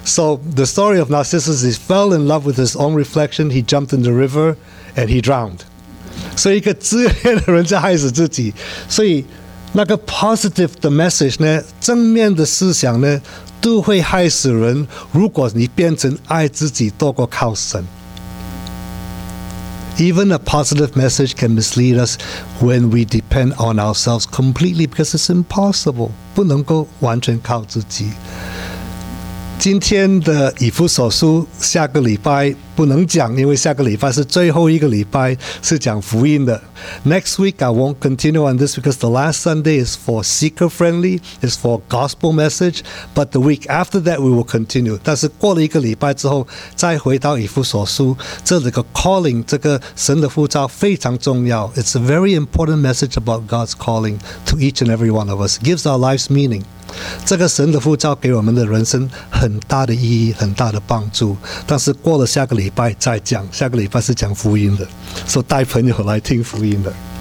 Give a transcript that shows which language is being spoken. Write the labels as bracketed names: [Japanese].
[English] So the story of Narcissus is fell in love with his own reflection， he jumped in the river and he drowned。 [Chinese] 所以一个自恋的人在害死自己。所以那个 positive 的 message 呢，正面的思想呢，都会害死人。如果你变成爱自己多过靠神， [English] Even a positive message can mislead us when we depend on ourselves completely， because it's impossible， [Chinese] 不能够完全靠自己。今天的以弗所书下个礼拜不能讲，因为下个礼拜是最后一个礼拜是讲福音的。 [English] Next week I won't continue on this because the last Sunday is for seeker friendly, is for gospel message, but the week after that we will continue。 [Chinese] 但是过了一个礼拜之后再回到以弗所书，这里的 calling， 这个神的呼召非常重要。 [English] It's a very important message about God's calling to each and every one of us. It gives our lives meaning。 [Chinese] 这个神的呼召给我们的人生很大的意义，很大的帮助。但是过了下个礼拜再讲，下个礼拜是讲福音的，所以带朋友来听福音的。